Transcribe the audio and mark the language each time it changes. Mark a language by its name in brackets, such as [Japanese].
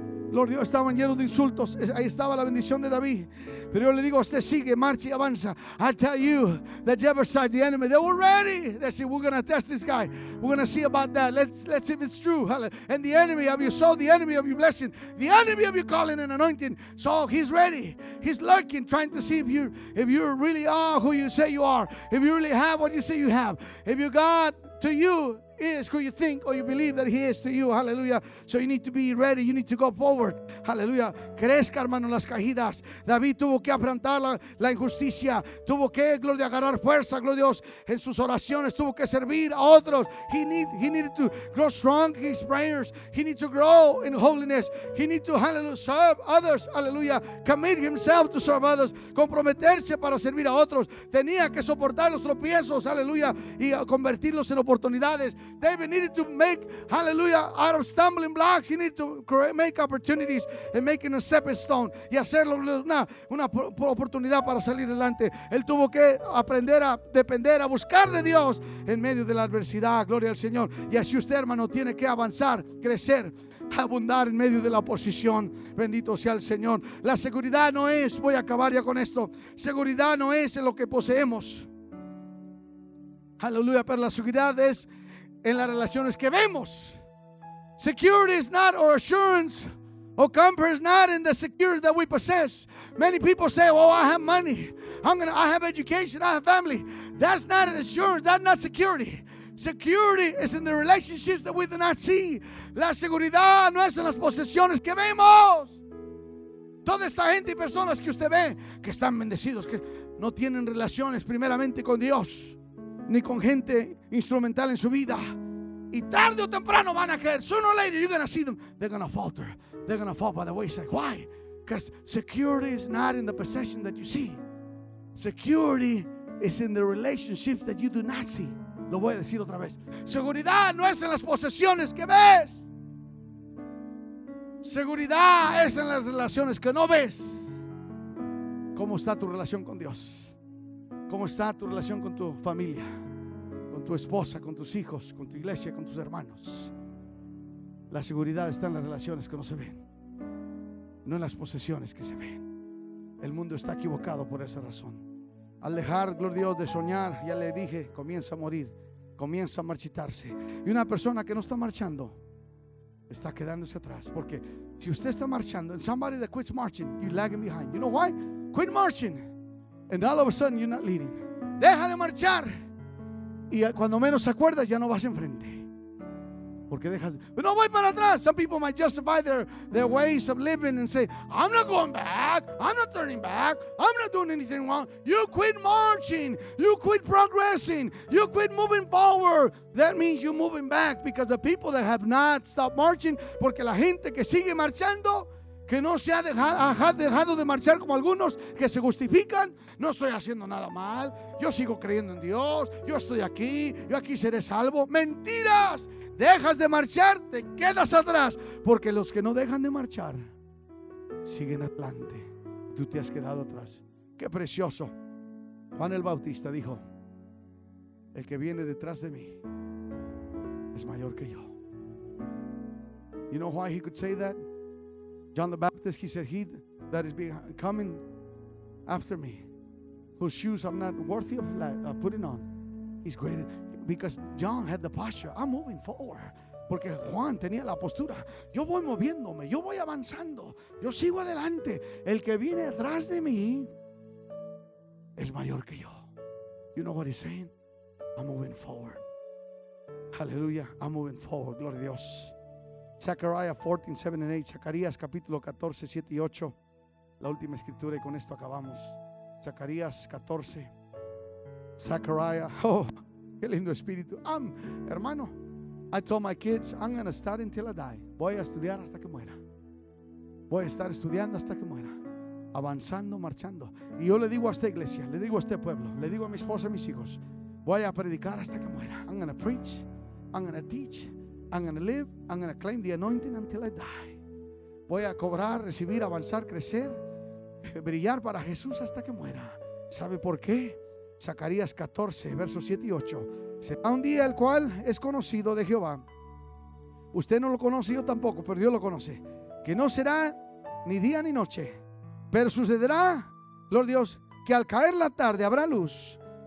[Spanish] Lord Dios, estaban llenos de insultos. Ahí estaba la bendición de David. Pero yo le digo, usted sigue, marcha y avanza. [English] I tell you, the Jebusites, the enemy, they were ready. They said, we're going to test this guy. We're going to see about that. Let's see if it's true. And the enemy of your soul, the enemy of your blessing, the enemy of your calling and anointing, so he's ready. He's lurking, trying to see if you really are who you say you are. If you really have what you say you have. If your God to you is who you think or you believe that he is to you. Hallelujah. So you need to be ready. You need to go forward. Hallelujah. [Spanish] Crezca, hermano, las caídas. David tuvo que afrontar la injusticia. Tuvo que, gloria, agarrar fuerza, gloria Dios, en sus oraciones. Tuvo que servir a otros. [English] He needed to grow strong in his prayers. He needed to grow in holiness. He needed to, hallelujah, serve others. Hallelujah. Commit himself to serve others. [Spanish] Comprometerse para servir a otros. Tenía que soportar los tropiezos. Hallelujah. Y convertirlos en oportunidades. [English] David needed to make, hallelujah, out of stumbling blocks. He needed to create, make opportunities and making a stepping stone. [Spanish] Y hacerlo una oportunidad para salir adelante. Él tuvo que aprender a depender, a buscar de Dios en medio de la adversidad. Gloria al Señor. Y así usted, hermano, tiene que avanzar, crecer, abundar en medio de la oposición. Bendito sea el Señor. La seguridad no es, voy a acabar ya con esto. Seguridad no es en lo que poseemos. Aleluya, pero la seguridad es en las relaciones que vemos. [English] Security is not our assurance or comfort is not in the security that we possess. Many people say, well, I have money, I have education, I have family. That's not an assurance, that's not security. Security is in the relationships that we do not see. [Spanish] La seguridad no es en las posesiones que vemos. Toda esta gente y personas que usted ve que están bendecidos, que no tienen relaciones primeramente con Dios ni con gente instrumental en su vida, y tarde o temprano van a caer. [English] Sooner or later, you're going to see them. They're going to falter. They're going to fall by the wayside. Why? Because security is not in the possession that you see. Security is in the relationships that you do not see. [Spanish] Lo voy a decir otra vez. Seguridad no es en las posesiones que ves. Seguridad es en las relaciones que no ves. ¿Cómo está tu relación con Dios? ¿Cómo está tu relación con tu familia, con tu esposa, con tus hijos, con tu iglesia, con tus hermanos? La seguridad está en las relaciones que no se ven, no en las posesiones que se ven. El mundo está equivocado por esa razón. Al dejar, gloria a Dios, de soñar, ya le dije, comienza a morir, comienza a marchitarse. Y una persona que no está marchando está quedándose atrás. Porque si usted está marchando, [English] and somebody that quits marching, you're lagging behind. You know why? Quit marching. And all of a sudden you're not leading. [Spanish] Deja de marchar. Y cuando menos acuerdas ya no vas enfrente. Porque dejas, [English] but [Spanish] no voy para atrás. [English] Some people might justify their ways of living and say, I'm not going back. I'm not turning back. I'm not doing anything wrong. You quit marching. You quit progressing. You quit moving forward. That means you're moving back, because the people that have not stopped marching, [Spanish] porque la gente que sigue marchando, que no se ha dejado de marchar como algunos que se justifican. No estoy haciendo nada mal. Yo sigo creyendo en Dios. Yo estoy aquí. Yo aquí seré salvo. Mentiras. Dejas de marchar, te quedas atrás. Porque los que no dejan de marchar siguen adelante. Tú te has quedado atrás. Qué precioso. Juan el Bautista dijo: el que viene detrás de mí es mayor que yo. [English] You know why he could say that? John the Baptist, he said, he that is coming after me, whose shoes I'm not worthy of putting on, is greater. Because John had the posture, I'm moving forward. [Spanish] Porque Juan tenía la postura, yo voy moviéndome, yo voy avanzando, yo sigo adelante. El que viene atrás de mí es mayor que yo. [English] You know what he's saying? I'm moving forward. Hallelujah, I'm moving forward. [Spanish] Gloria a Dios. [English] Zechariah 14, 7 and 8. [Spanish] Zacarías capítulo 14, 7 y 8. La última escritura y con esto acabamos. Zacarías 14. Zechariah. Oh, qué lindo espíritu. [English] Hermano, I told my kids, I'm going to study until I die. [Spanish] Voy a estudiar hasta que muera. Voy a estar estudiando hasta que muera. Avanzando, marchando. Y yo le digo a esta iglesia, le digo a este pueblo, le digo a mi esposa y mis hijos, voy a predicar hasta que muera. [English] I'm going to preach. I'm going to teach. I'm going to live, I'm going to claim the anointing until I die. [Spanish] Voy a cobrar, recibir, avanzar, crecer, brillar para Jesús hasta que muera. ¿Sabe por qué? Zacarías 14, versos 7 y 8. Será un día el cual es conocido de Jehová. Usted no lo conoce, yo tampoco, pero Dios lo conoce. Que no será ni día ni noche, pero sucederá, Lord Dios, que al caer la tarde habrá luz.